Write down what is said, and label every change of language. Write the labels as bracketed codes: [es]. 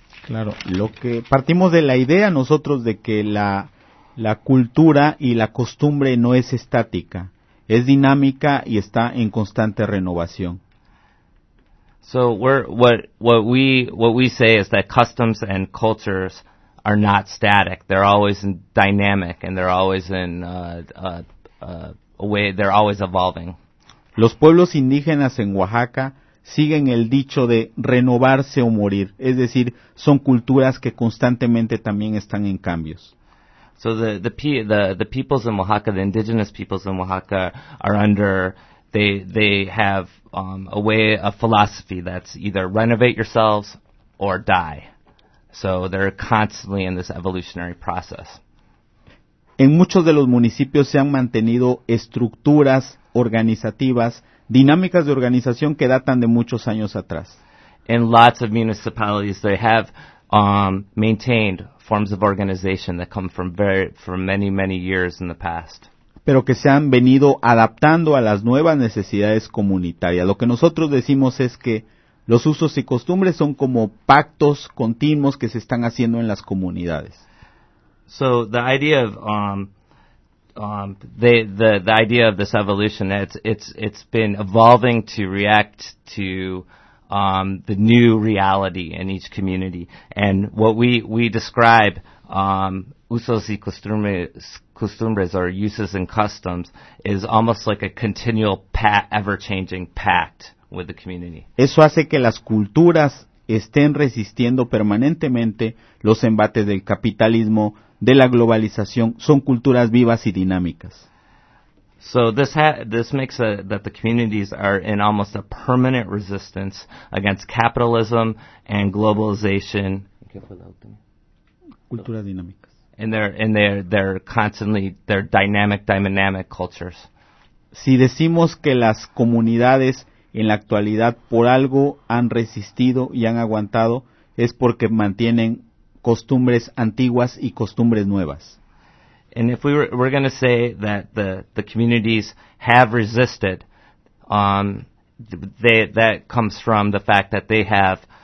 [es] Claro, lo que partimos de la idea nosotros de que la cultura y la costumbre no es estática, es dinámica y está en constante renovación. [en] So what we say is that customs and cultures are not static. They're always dynamic, and they're always in a way. They're always evolving. [es] Los pueblos indígenas en Oaxaca siguen el dicho de renovarse o morir. Es decir, son culturas que constantemente también están en cambios. [en] So the peoples in Oaxaca, the indigenous peoples in Oaxaca, are under. They have a philosophy that's either renovate yourselves or die. So they're constantly in this evolutionary process. [es] En muchos de los municipios se han mantenido estructuras organizativas, dinámicas de organización que datan de muchos años atrás. [en] In lots of municipalities, they have maintained forms of organization that come from many, many years in the past. [es] Pero que se han venido adaptando a las nuevas necesidades comunitarias. Lo que nosotros decimos es que los usos y costumbres son como pactos continuos que se están haciendo en las comunidades. [en] So the idea of The idea of this evolution, it's been evolving to react to the new reality in each community. And what we describe usos y costumbres, or uses and customs, is almost like a continual ever-changing pact with the community. [es] Eso hace que las culturas estén resistiendo permanentemente los embates del capitalismo, de la globalización. Son culturas vivas y dinámicas. [en] So this makes that the communities are in almost a permanent resistance against capitalism and globalization. [es] Culturas dinámicas. [en] And they're constantly dynamic cultures. [es] Si decimos que las comunidades en la actualidad por algo han resistido y han aguantado, es porque mantienen costumbres antiguas y costumbres nuevas. [en] And if we're going to say that the communities have resisted, that comes from the fact that they have